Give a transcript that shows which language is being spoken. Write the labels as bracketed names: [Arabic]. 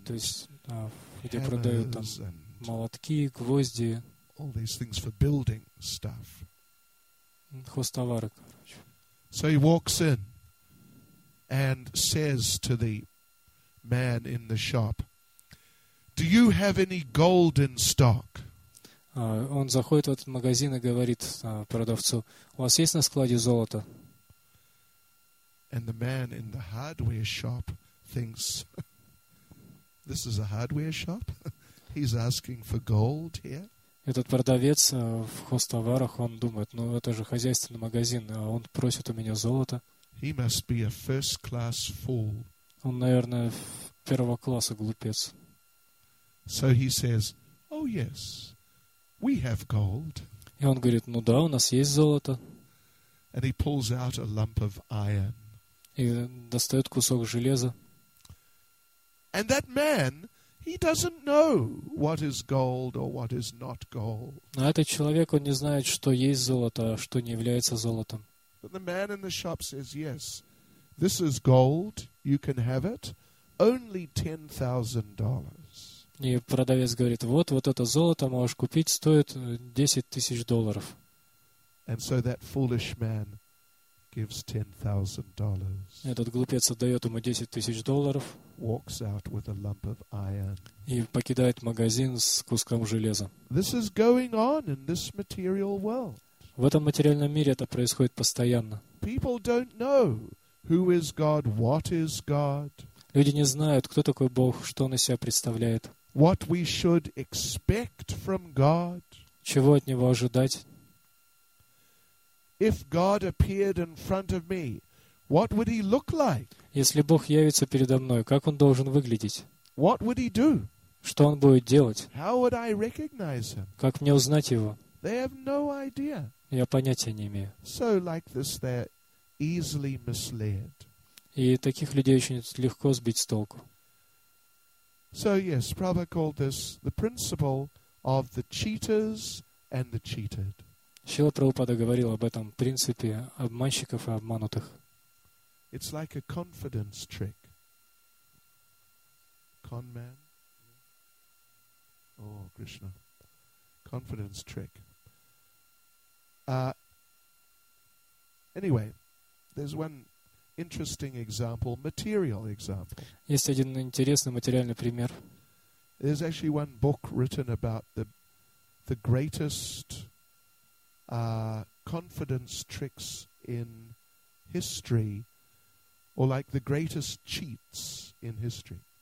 [Russian] то есть, где продают там молотки, гвозди, [English] all these things for building stuff. [Russian] Хозтовары, короче. [English] So he walks in and says to the man in the shop, do you have any gold in stock? [Russian] Он заходит в этот магазин и говорит продавцу, у вас есть на складе золото? [English] And the man in the hardware shop thinks, this is a hardware shop? He's asking for gold here? [Russian] Этот продавец в хозтоварах, он думает, ну это же хозяйственный магазин, а он просит у меня золото. [English] He must be a first-class fool. [Russian] Он, наверное, первого класса глупец. [English] So he says, "Oh yes, we have gold." [Russian] И он говорит, ну да, у нас есть золото. [English] And he pulls out a lump of iron. [Russian] И достает кусок железа. [English] And that man, he doesn't know what is gold or what is not gold. [Russian] А этот человек, он не знает, что есть золото, а что не является золотом. [English] But the man in the shop says, yes, this is gold, you can have it, only $10,000. [Russian] И продавец говорит, вот это золото можешь купить, стоит $10,000. [English] And so that foolish man gives $10,000. [Russian] Этот глупец отдает ему $10,000. [English] Walks out with a lump of iron. [Russian] И покидает магазин с куском железа. [English] This is going on in this material world. [Russian] В этом материальном мире это происходит постоянно. [English] People don't know who is God, what is God. [Russian] Люди не знают, кто такой Бог, что он из себя представляет. [English] What we should expect from God. [Russian] Чего от него ожидать? [English] If God appeared in front of me, what would he look like? [Russian] Если Бог явится передо мной, как он должен выглядеть? [English] What would he do? [Russian] Что он будет делать? [English] How would I recognize him? [Russian] Как мне узнать его? [English] They have no idea. [Russian] Я понятия не имею. [English] So like this, they're easily misled. [Russian] И таких людей очень легко сбить с толку. [English] So yes, Prabhupada called this the principle of the cheaters and the cheated. [Russian] Шрила Прабхупада говорил об этом принципе обманщиков и обманутых. [English] It's like a confidence trick. Con man. Oh, Krishna. Confidence trick. Anyway, there's one interesting example, material example. [Russian] Есть один интересный материальный пример. [English] There's actually one book written about the greatest confidence tricks in history, or like the greatest cheats in history.